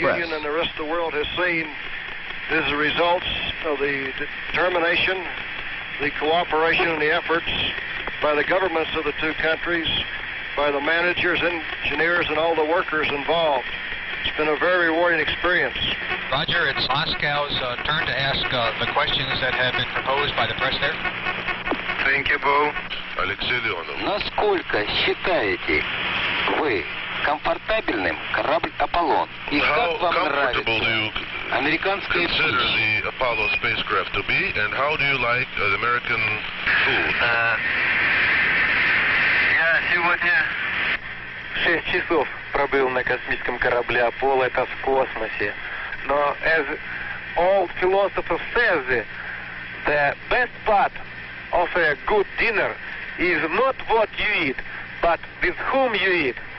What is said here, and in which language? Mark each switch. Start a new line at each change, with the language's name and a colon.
English: The Soviet Union and the rest of the world has seen is the results of the determination, the cooperation, and the efforts by the governments of the two countries, by the managers, engineers, and all the workers involved. It's been a very rewarding experience. Roger, it's Moscow's turn to ask the questions that have been proposed by the press there. Thank you, Bill.
Russian: Алексей Леонов. Насколько считаете вы комфортабельным корабль Аполлон? И как вам нравится американский
English: food? How comfortable do you consider the Apollo spacecraft to be, and how do you like the American food?
Russian: Сегодня 6 часов пробыл на космическом корабле Аполло, это в космосе. Но,
English: as all philosophers say, the best part of a good dinner is not what you eat, but with whom you eat.